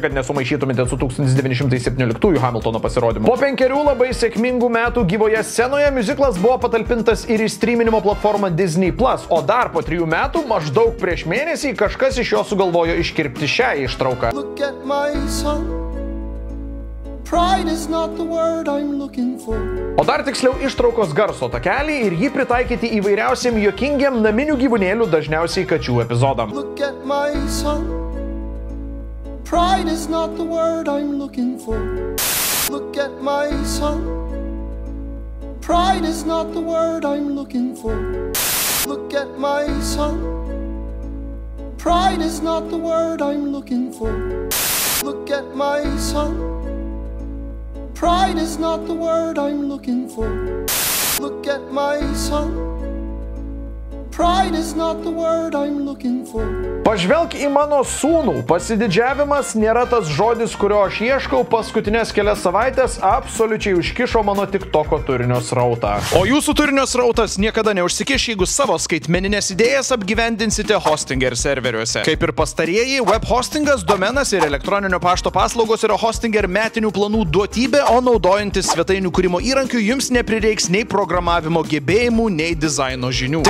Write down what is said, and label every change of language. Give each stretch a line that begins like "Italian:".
Lithuanian: Čia kad nesumaišytumėte su 1917 Hamiltono pasirodymu. Po 5 labai sėkmingų metų gyvoje scenoje miuziklas buvo patalpintas ir į streamingo platformą Disney Plus, o dar po 3 metų, maždaug prieš mėnesį, kažkas iš jo sugalvojo iškirpti šią ištrauką.
English: Look at my son. Pride is not the word I'm looking for.
Lithuanian: O dar tiksliau ištraukos garso takelį ir jį pritaikyti įvairiausiam juokingiam naminių gyvūnėlių, dažniausiai kačių epizodam.
English: Look at my son. Pride is not the word I'm looking for. Look at my son. Pride is not the word I'm looking for. Look at my son. Pride is not the word I'm looking for. Look at my son. Pride is not the word I'm looking for. Look at my son. Pride is not the word I'm looking for.
Lithuanian: Pažvelk į mano sūnų. Pasididžiavimas nėra tas žodis, kurio aš ieškau. Paskutinės kelias savaitės absoliučiai užkišo mano TikToko turinio srautą. O jūsų turinio srautas niekada neužsikiš, jeigu savo skaitmeninės idėjas apgyvendinsite Hostinger serveriuose. Kaip ir pastarieji, web hostingas, domenas ir elektroninio pašto paslaugos yra Hostinger metinių planų duotybė, o naudojantis svetainių kūrimo įrankių jums neprireiks nei programavimo gebėjimų, nei dizaino žinių.